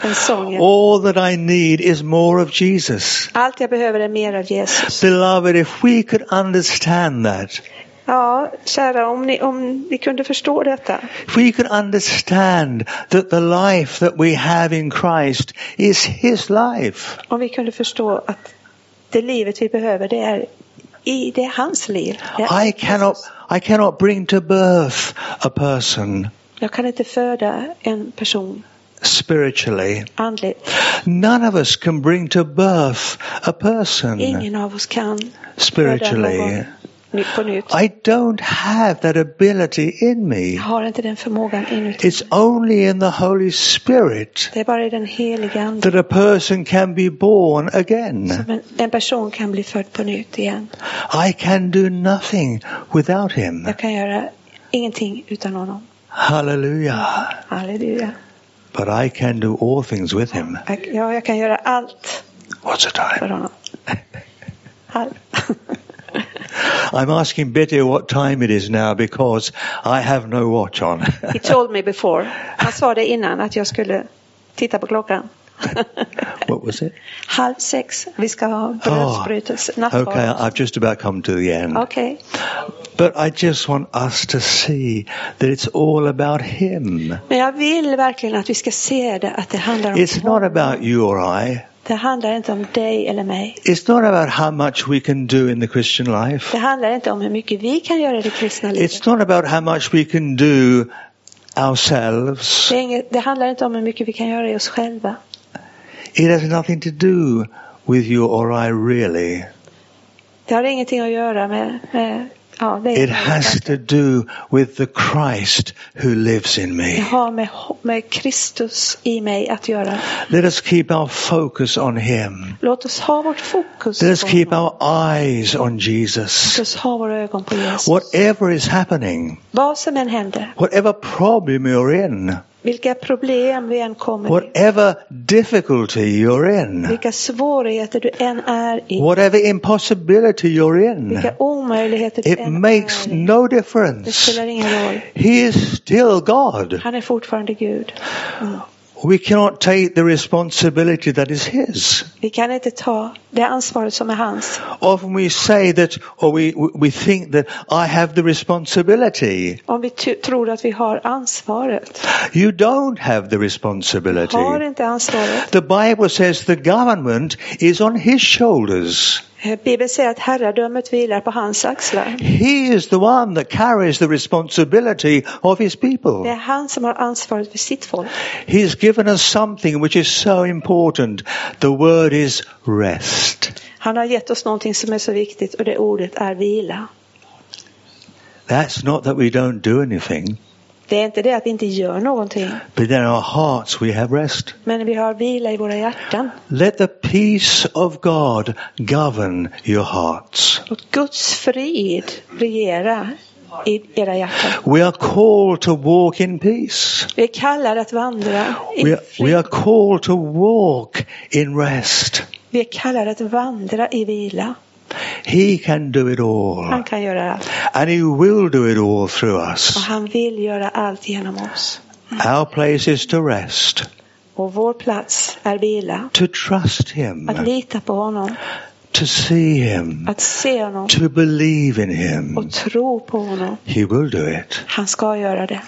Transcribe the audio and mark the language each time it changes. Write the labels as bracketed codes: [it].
[en] All that I need is more of Jesus. [sv] Allt jag behöver är mer av Jesus. [en] Beloved, if we could understand that. [sv] Ja, kära, om ni kunde förstå detta. [en] If we could understand that the life that we have in Christ is his life. [sv] Om vi kunde förstå att det livet vi behöver, det är det är hans liv. [en] I cannot bring to birth a person. [sv] Jag kan inte föda en person. [en] Spiritually. [sv] Andligt. [en] None of us can bring to birth a person. [sv] Ingen av oss kan. [en] Spiritually. I don't have that ability in me. [sv] Jag har inte den förmågan inuti. [en] It's only in the Holy Spirit. [sv] Det är bara i den helige Ande. [en] That a person can be born again. [sv] Som en person kan bli född på nytt igen. [en] I can do nothing without him. [sv] Jag kan göra ingenting utan honom. [en] Hallelujah. [sv] Halleluja. [en] But I can do all things with him. [sv] Ja, jag kan göra allt. [en] What's the time? [sv] För honom. [en] I'm asking Betty what time it is now because I have no watch on. He told me before. [sv] Han sa det innan att jag skulle titta på klockan. [en] What was it? [sv] 6:30. Vi ska ha brödsbrytelse. [en] Oh, okay, I've just about come to the end. Okay. But I just want us to see that it's all about him. [sv] Men jag vill verkligen att vi ska se det, att det handlar om honom. [en] It's not about you or I. [sv] Det handlar inte om dig eller mig. [en] It's not about how much we can do in the Christian life. [sv] Det handlar inte om hur mycket vi kan göra i det kristna livet. [en] It's not about how much we can do ourselves. [sv] Det handlar inte om hur mycket vi kan göra i oss själva. [en] It has nothing to do with you or I really. [sv] Det har ingenting att göra med ja, det. [en] It has to do with the Christ who lives in me. [sv] Det har med Kristus i mig att göra. [en] Let us keep our focus on him. [sv] Låt oss ha vårt fokus. [en] Let us keep our eyes on Jesus. [sv] Låt oss ha våra ögon på Jesus. [en] Whatever is happening. [sv] Vad som än händer. [en] Whatever problem you're in. [sv] Vilka problem vi än kommer i. [en] Whatever difficulty you're in. [sv] Vilka svårigheter du än är i. [en] Whatever impossibility you're in. [sv] Vilka omöjligheter du än är i. [en] It makes no difference. [sv] Det spelar ingen roll. [en] He is still God. [sv] Han är fortfarande Gud. [en] We cannot take the responsibility that is his. [sv] Vi kan inte ta det ansvaret som är hans. [en] Often we say that, or we think that I have the responsibility. [sv] Om vi tror att vi har ansvaret. [en] You don't have the responsibility. [sv] Har inte ansvaret. [en] The Bible says the government is on his shoulders. [sv] Bibeln säger att herradömet vilar på hans axlar. [en] He is the one that carries the responsibility of his people. [sv] Det är han som har ansvaret för sitt folk. [en] He has given us something which is so important. The word is rest. [sv] Han har gett oss någonting som är så viktigt, och det ordet är vila. [en] That's not that we don't do anything. [sv] Det är inte det att vi inte gör någonting. [en] But in our hearts we have rest. [sv] Men vi har vila i våra hjärtan. [en] Let the peace of God govern your hearts. [sv] Låt Guds frid regera i era hjärtan. [en] We are called to walk in peace. [sv] Vi är kallade att vandra i frid. [en] We are called to walk in rest. [sv] Vi är kallade att vandra i vila. [en] He can do it all. [sv] Han kan göra allt. [en] And he will do it all through us. [sv] Och han vill göra allt genom oss. [en] Our place is to rest. [sv] Och vår plats är vila. [en] To trust him. [sv] Att lita på honom. [en] To see him. [sv] Att se honom. [en] To believe in him. [sv] Och tro på honom. [en] He will do it. [sv] Han ska göra det.